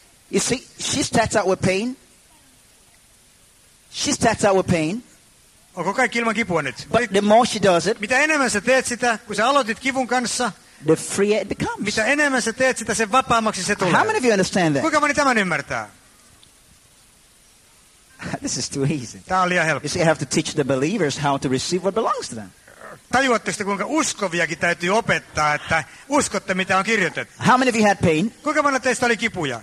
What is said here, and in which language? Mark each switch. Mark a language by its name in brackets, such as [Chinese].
[English] You see, she starts out with pain. She starts out with pain. [Finnish] Onko kaikki ilman kipua nyt? [English] But the more she does it, [Finnish] mitä enemmän sä teet sitä, kun sä aloitit kivun kanssa, [English] the freer it becomes. [Finnish] Mitä enemmän sä teet sitä, sen vapaammaksi se tulee. [English] How many of you understand that? [Finnish] Kuinka moni tämän ymmärtää? [English] This is too easy. You see, I have to teach the believers how to receive what belongs to them. [Finnish] Tajuatteko te, kuinka uskoviakin täytyy opettaa, että uskotte, mitä on kirjoitettu? [English] How many of you had pain? [Finnish] Kuinka monella teistä oli kipuja?